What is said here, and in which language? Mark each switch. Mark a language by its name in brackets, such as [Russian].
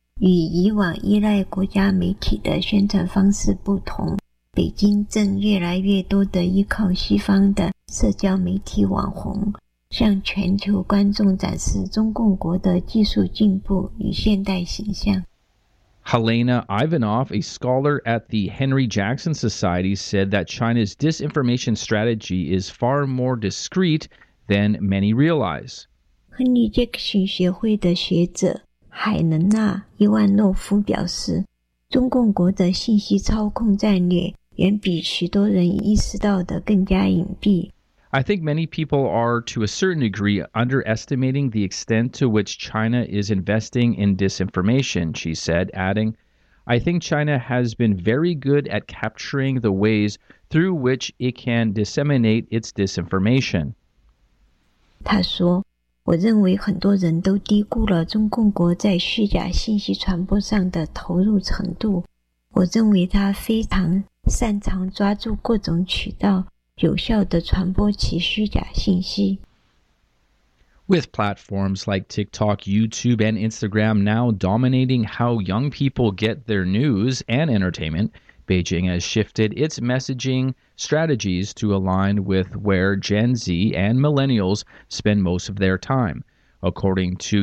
[Chinese] 与以往依赖国家媒体的宣传方式不同，北京正越来越多地依靠西方的社交媒体网红，向全球观众展示中共国的技术进步与现代形象。 [English] Helena Ivanov, a scholar at the Henry Jackson Society, said that China's disinformation strategy is far more discreet than many realize. [Chinese] 亨利·杰克逊学会的学者海伦娜·伊万诺夫表示，中共国的信息操控战略远比许多人意识到的更加隐蔽。 [English] I think many people are, to a certain degree, underestimating the extent to which China is investing in disinformation, she said, adding, I think China has been very good at capturing the ways through which it can disseminate its disinformation. [Chinese] 她说，我认为很多人都低估了中共国在虚假信息传播上的投入程度。我认为它非常擅长抓住各种渠道。有效地传播其虚假信息。 [English] With platforms like TikTok, YouTube, and Instagram now dominating how young people get their news and entertainment, Beijing has shifted its messaging strategies to align with where Gen Z and millennials spend most of their time. According to